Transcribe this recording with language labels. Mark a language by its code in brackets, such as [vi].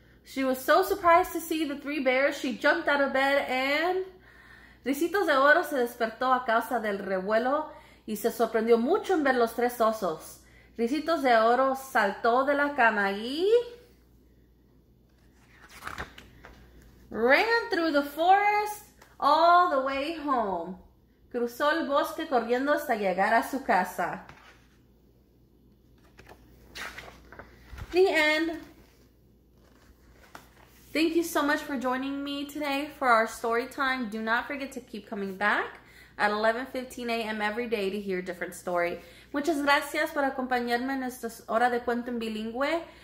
[en] She was so surprised to see the three bears, she jumped out of bed and... [es] Ricitos de Oro se despertó a causa del revuelo y se sorprendió mucho en ver los tres osos. Ricitos de Oro saltó de la cama y... [en] ran through the forest all the way home. [es] Cruzó el bosque corriendo hasta llegar a su casa. [en] The end. Thank you so much for joining me today for our story time. Do not forget to keep coming back at 11:15 a.m. every day to hear a different story. [es] Muchas gracias por acompañarme en nuestra hora de cuento en bilingüe.